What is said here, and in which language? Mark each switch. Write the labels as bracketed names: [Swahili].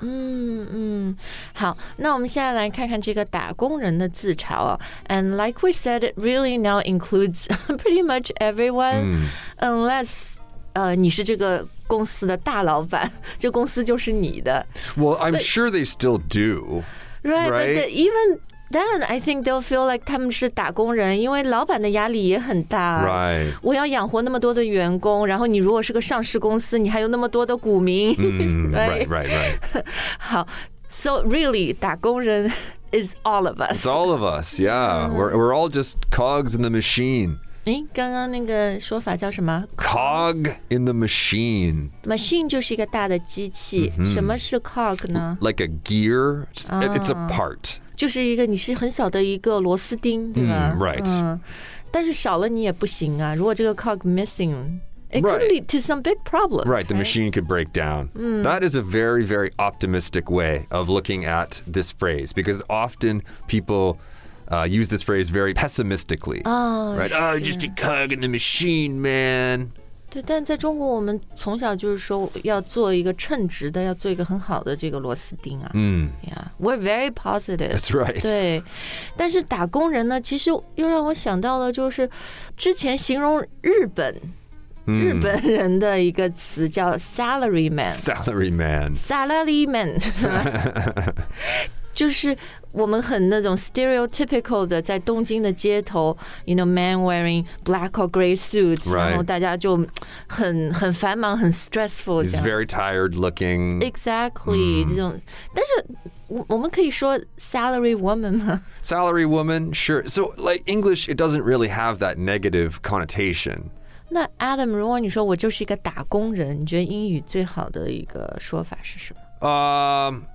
[Chinese] 嗯嗯，好，那我们现在来看看这个打工人的自嘲哦。 [English] And like we said, it really now includes pretty much everyone, unless. [Chinese] 你是这个公司的大老板，这公司就是你的。 [English] Well, I'm sure they still do. Right, right? But even then, I think they'll feel like [Chinese] 他们是打工人，因为老板的压力也很大。 [English] Right. [Chinese] 我要养活那么多的员工，然后你如果是个上市公司，你还有那么多的股民。 [English] Right, right, right. [Chinese] 好 [English] ，so really, 打工人 is all of us. It's all of us. Yeah, we're all just cogs in the machine. [Chinese] 诶，刚刚那个说法叫什么 [English] ？Cog in the machine. [Chinese] Machine 就是一个大的机器。什么是 cog 呢 [English] ？Like a gear. It's a part. [Chinese] 就是一个你是很小的一个螺丝钉，对吧 [English] ？Right. [Chinese] 但是少了你也不行啊。如果这个 [English] cog missing, it could lead to some big problems. Right. The machine could break down. That is a very, very optimistic way of looking at this phrase because often people. Use this phrase very pessimistically. Right? Oh, just a cog in the machine, man. [Chinese] 对，但在中国，我们从小就是说要做一个称职的，要做一个很好的这个螺丝钉啊。 [English] Yeah, we're very positive. That's right. [Chinese] 对，但是打工人呢，其实又让我想到了，就是之前形容日本人的一个词叫 salary man. [English] Salary man. Salary man. [Chinese] 就是我们很那种 [English] stereotypical [Chinese] 的在东京的街头 [English] you know, man wearing black or gray suits,、 right. [Chinese] 然后大家就很繁忙很 stressful. [English] He's very tired looking. [Chinese] Exactly.、这种但是我们可以说 salary woman 吗 [English] Salary woman, sure. So like English, it doesn't really have that negative connotation. [Chinese] 那 Adam, 如果你说我就是一个打工人你觉得英语最好的一个说法是什么、